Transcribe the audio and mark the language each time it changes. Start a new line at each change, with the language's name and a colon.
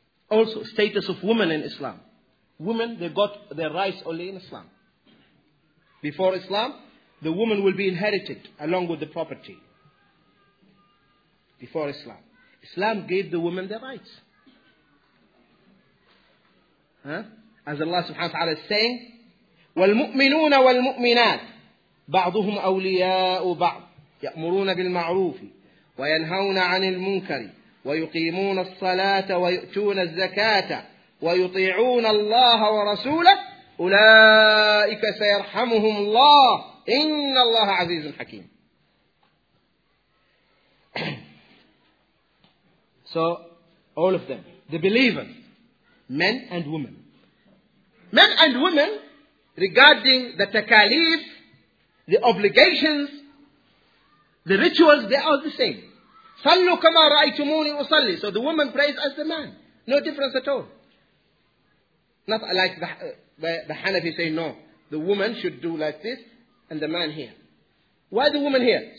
English: Also, status of women in Islam. Women, they got their rights only in Islam. Before Islam, the woman will be inherited along with the property. Before Islam. Islam gave the woman their rights. As Allah subhanahu wa ta'ala is saying,
Arabic: وَالْمُؤْمِنُونَ وَالْمُؤْمِنَاتِ بَعْضُهُمْ أَوْلِيَاءُ بَعْضٍ يَأْمُرُونَ بِالْمَعْرُوفِ وَيَنْهَوْنَ عَنِ الْمُنْكَرِ وَيُقِيمُونَ الصَّلَاةَ وَيُؤْتُونَ الزَّكَاةَ وَيُطِيعُونَ اللَّهَ وَرَسُولَهُ أُولَئِكَ سَيَرْحَمُهُمُ اللَّهُ إِنَّ اللَّهَ عَزِيزٌ حَكِيمٌ
English: So, all of them, the believers, men and women. Men and women, regarding the takalif, the obligations, the rituals, they are the same.
Arabic: صَلُّوا كَمَا رَأَيْتُمُونِي أُصَلِّي
English: So the woman prays as the man. No difference at all. Not like the Hanafi say, no. The woman should do like this, and the man here. Why the woman here?